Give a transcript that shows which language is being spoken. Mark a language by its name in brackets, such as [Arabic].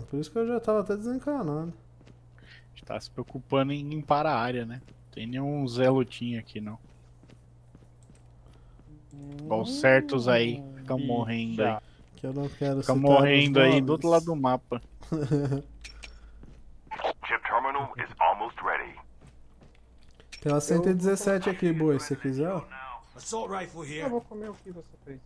[Portuguese] Por isso que eu já tava até desencanado. A gente tá se preocupando em limpar a área, né? Não tem nenhum Zé Lutinho aqui, não. Bom, certos aí. Ficam morrendo aí. Que eu não quero. Ficam morrendo aí do outro lado do mapa. [English] Chip terminal is almost ready. [Portuguese] Tem uma 117 aqui, boa, se quiser. [English] Assault rifle here. [Portuguese] Eu vou comer o que você fez.